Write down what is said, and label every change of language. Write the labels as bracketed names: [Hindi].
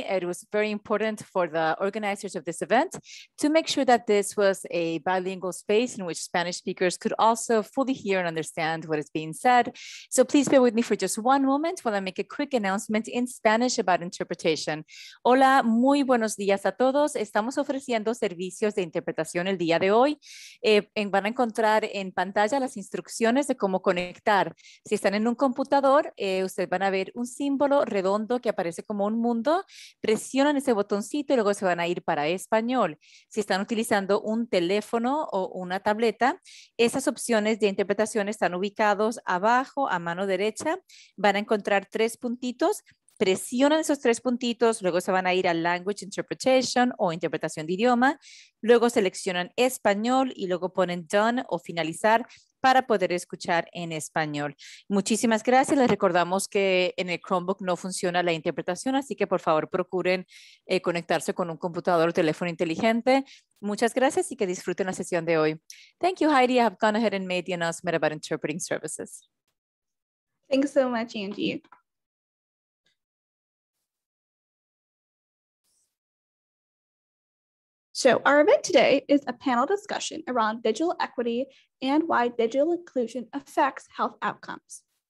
[English] It was very important for the organizers of this event to make sure that this was a bilingual space in which Spanish speakers could also fully hear and understand what is being said. So please bear with me for just one moment while I make a quick announcement in Spanish about interpretation. [Spanish] Hola, muy buenos días a todos. Estamos ofreciendo servicios de interpretación el día de hoy. Van a encontrar en pantalla las instrucciones de cómo conectar. Si están en un computador, ustedes van a ver un símbolo redondo que aparece como un mundo. Presionan ese botoncito y luego se van a ir para español. Si están utilizando un teléfono o una tableta, esas opciones de interpretación están ubicados abajo a mano derecha. Van a encontrar tres puntitos. Presionan esos tres puntitos, luego se van a ir a Language Interpretation o Interpretación de Idioma, luego seleccionan Español y luego ponen Done o Finalizar para poder escuchar en español. Muchísimas gracias. Les recordamos que en el Chromebook no funciona la interpretación, así que por favor procuren conectarse con un computador o teléfono inteligente. Muchas gracias y que disfruten la sesión de hoy. [English] Thank you, Heidi. I have gone ahead and made the announcement about interpreting services. Thanks so much, Angie. So our event today is a panel discussion around digital equity and why digital inclusion affects health outcomes.